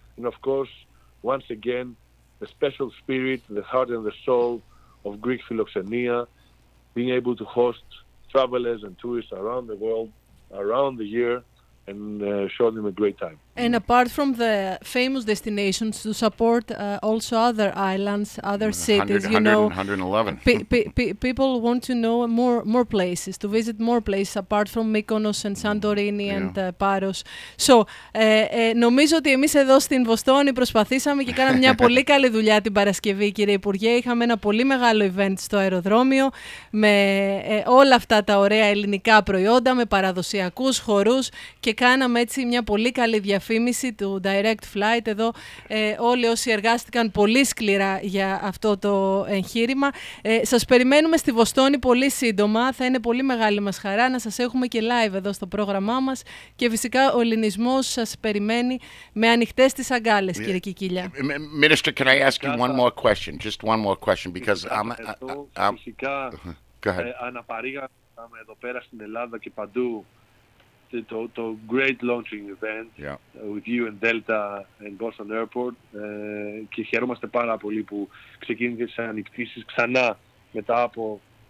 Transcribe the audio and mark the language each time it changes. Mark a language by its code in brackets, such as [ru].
[en] And of course, once again, the special spirit, the heart and the soul of Greek philoxenia, being able to host travelers and tourists around the world, around the year, and show them a great time. And apart from the famous destinations, to support also other islands, other cities, you know, 111. people want to know more places, to visit more places apart from Mykonos and Santorini and Paros. [el] So, νομίζω ότι εμείς εδώ στην Βοστόνη προσπαθήσαμε και κάναμε μια πολύ καλή δουλειά την Παρασκευή, κύριε Υπουργέ. Είχαμε ένα πολύ μεγάλο event στο αεροδρόμιο με όλα αυτά τα ωραία ελληνικά προϊόντα, με παραδοσιακούς χορούς και κάναμε έτσι μια πολύ καλή διαφήμιση του Direct Flight εδώ. Όλοι όσοι εργάστηκαν πολύ σκληρά για αυτό το εγχείρημα. Σας περιμένουμε στη Βοστόνη πολύ σύντομα. Θα είναι πολύ μεγάλη μας χαρά να σας έχουμε και live εδώ στο πρόγραμμά μας. Και φυσικά ο ελληνισμός σας περιμένει με ανοιχτές τις αγκάλες, κύριε Κικίλια. [en] Minister, can I ask you one more question? Just one more question, because I'm... [el] Φυσικά, αναπαρήγαμε εδώ πέρα στην Ελλάδα και παντού το [en] great launching event with you and Delta and Boston Airport, [el] και χαιρόμαστε πάρα πολύ που ξεκίνησαν οι πτήσεις ξανά μετά από